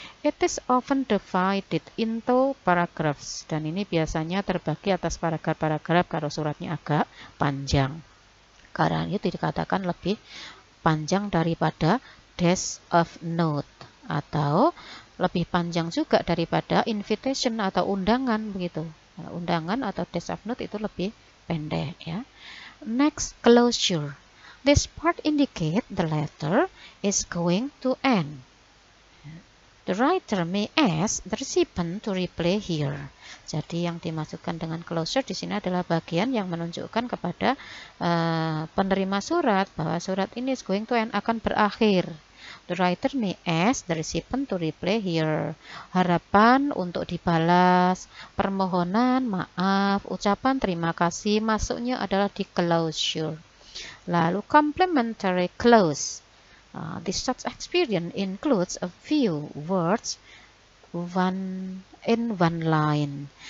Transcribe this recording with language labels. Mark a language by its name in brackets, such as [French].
[English] It is often divided into paragraphs, [Indonesian] dan ini biasanya terbagi atas paragraf-paragraf kalau suratnya agak panjang, karena ini dikatakan lebih panjang daripada desk of note, atau lebih panjang juga daripada invitation atau undangan, begitu. Undangan atau desk of note itu lebih pendek, ya. Next, closure. [English] This part indicates the letter is going to end. The writer may ask the recipient to reply here. [Indonesian] Jadi yang dimasukkan dengan closure di sini adalah bagian yang menunjukkan kepada penerima surat bahwa surat ini [English] is going to end, [Indonesian] akan berakhir. [English] The writer may ask the recipient to reply here. [Indonesian] Harapan untuk dibalas, permohonan, maaf, ucapan terima kasih masuknya adalah di closure. Lalu complimentary close. [English] This such experience includes a few words in one line.